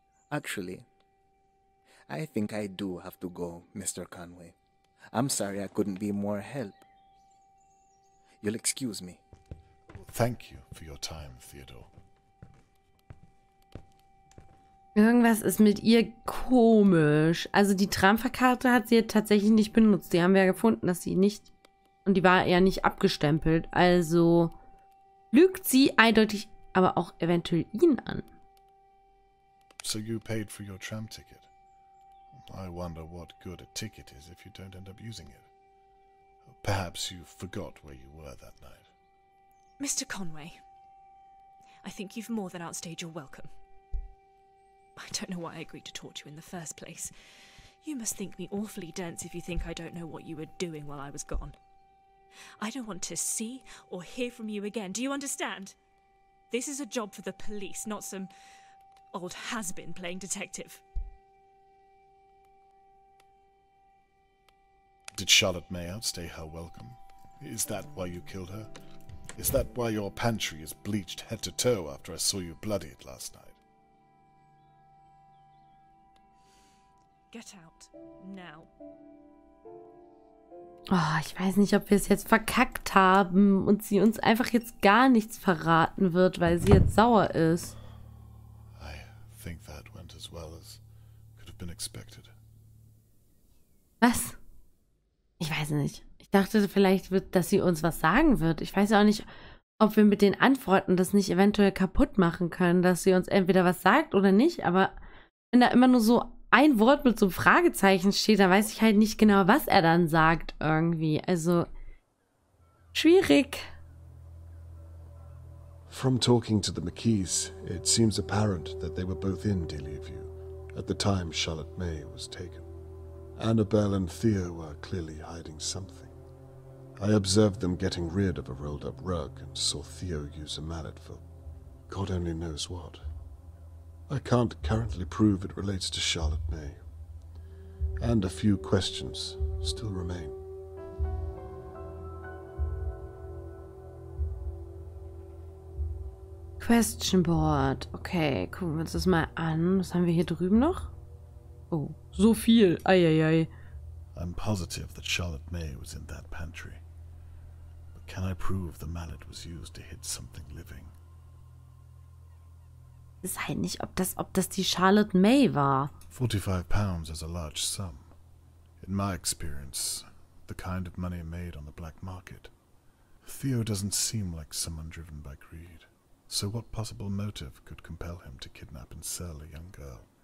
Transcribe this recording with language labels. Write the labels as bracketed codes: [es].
[en] Actually, I think I do have to go, Mr. Conway. I'm sorry I couldn't be more help. You'll excuse me. Thank you for your time, Theodore. [de] Irgendwas ist mit ihr komisch. Also die Tramfahrkarte hat sie tatsächlich nicht benutzt. Die haben wir ja gefunden, dass sie nicht... Und die war ja nicht abgestempelt. Also lügt sie eindeutig, aber auch eventuell ihn an. [en] So you paid for your tram ticket. I wonder what good a ticket is if you don't end up using it. Perhaps you forgot where you were that night. Mr. Conway, I think you've more than outstayed your welcome. I don't know why I agreed to talk to you in the first place. You must think me awfully dense if you think I don't know what you were doing while I was gone. I don't want to see or hear from you again. Do you understand? This is a job for the police, not some old has-been playing detective. Did Charlotte May outstay her welcome? Is that why you killed her? Is that why your pantry is bleached head to toe after I saw you bloodied last night? Get out. Now. [de] Oh, ich weiß nicht, ob wir es jetzt verkackt haben und sie uns einfach jetzt gar nichts verraten wird, weil sie jetzt sauer ist. [en] I think that went as well as could have been expected. [de] Was? Ich weiß nicht. Ich dachte vielleicht, dass sie uns was sagen wird. Ich weiß auch nicht, ob wir mit den Antworten das nicht eventuell kaputt machen können, dass sie uns entweder was sagt oder nicht. Aber wenn da immer nur so ein Wort mit so einem Fragezeichen steht, da weiß ich halt nicht genau, was er dann sagt irgendwie. Also, schwierig. [en] From talking to the McKees, it seems apparent that they were both in Delia View at the time Charlotte May was taken. Annabelle and Theo were clearly hiding something. I observed them getting rid of a rolled-up rug and saw Theo use a mallet for God only knows what. I can't currently prove it relates to Charlotte May. And a few questions still remain. Question Board. [de] Okay, gucken wir uns das mal an. Was haben wir hier drüben noch? Oh, so viel. Eieiei. [en] I'm positive that Charlotte May was in that pantry. But can I prove the mallet was used to hit something living? [de] Ich weiß nicht, ob das die Charlotte May war. [en] 45 pounds is a large sum. In my experience, the kind of money made on the black market. Theo doesn't seem like someone driven by greed. So what possible motive could compel him to kidnap and sell a young girl?